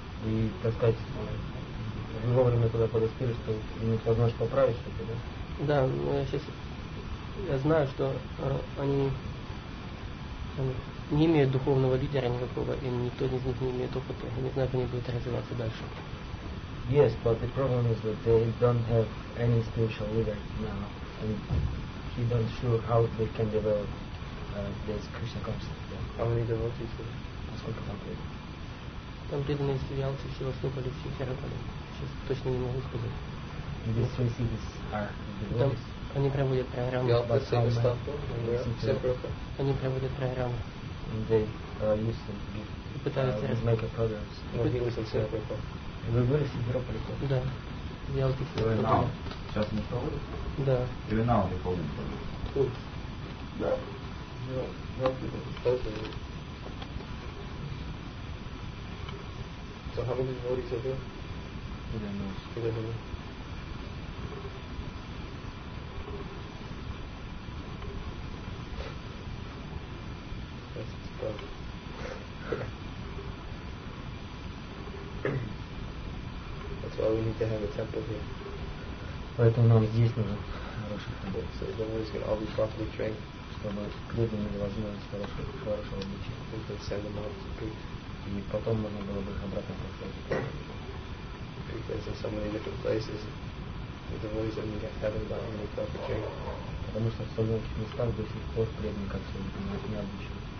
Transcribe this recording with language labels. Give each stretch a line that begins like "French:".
Russian: И, так сказать, вовремя туда подоспели, что не сможешь поправить что-то, да? Да, но я сейчас я знаю, что они не имеют духовного лидера никакого, и никто из них не имеет опыта. Я не знаю, как они будут развиваться дальше.
English: Yes, but the problem is that they don't have any spiritual leader now, and he don't sure how they can develop this Krishna consciousness. How many devotees were there?
Russian: Сколько там преданных? Там преданные из Вялки, Севастополя, Симферополя. Сейчас точно не могу сказать.
English: And these three cities are the devotees?
Russian: Они проводят программу. Вялка, Севастополь, они проводят программу.
English: And they used to give,
Russian: пытаются
English: make a program.
Russian: Вы были в Симферополе? Да. Вялки, Севастополя.
English: Even now?
Russian: Сейчас не проводят? Да.
English: Even now they're holding program?
Russian: Да.
English: So how many devotees are there? Who knows? Who knows? That's the problem. That's why we need to have a temple here.
Russian: Поэтому нам здесь нужен хороший храм.
English: So the devotees can all be properly trained.
Russian: Чтобы люди имели возможность хорошего обучения. И потом можно было бы их обратно послать. Потому что в многих местах до сих пор преданные, как все понимают, не обучены.